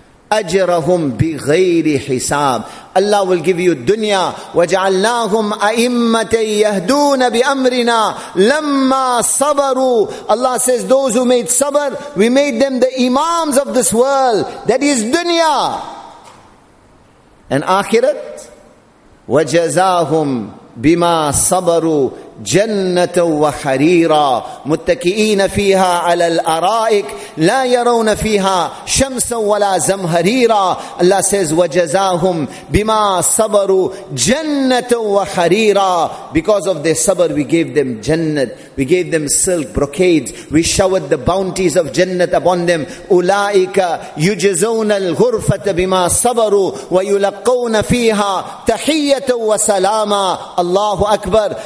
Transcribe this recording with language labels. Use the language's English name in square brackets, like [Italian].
[Arabic] أَجْرَهُمْ بِغَيْرِ حِسَابٍ. [English] Allah will give you dunya. [Arabic] وَجَعَلْنَاهُمْ أَئِمَّةً يَهْدُونَ بِأَمْرِنَا لَمَّا صَبَرُوا. [English] Allah says, those who made sabr, we made them the imams of this world. That is dunya. And akhirat, [Arabic] وَجَزَاهُمْ بِمَا صَبَرُوا جَنَّةً وَحَرِيرًا مُتَّكِئِينَ فِيهَا عَلَى الْأَرَائِكِ لَا يَرَوْنَ فِيهَا شَمْسًا وَلَا زَمْهَرِيرًا. [English] Allah says, [Arabic] وَجَزَاهُمْ بِمَا صَبَرُوا جَنَّةً وَحَرِيرًا. [English] Because of their sabr, we gave them jannat, we gave them silk brocades, we showered the bounties of jannat upon them. [Arabic] أُولَئِكَ يُجَزَوْنَ الْغُرْفَةَ بِمَا صَبَرُوا وَيُلَقَّوْنَ فِيهَا تَحِيَّةً وَسَلَامًا. Allahu Akbar.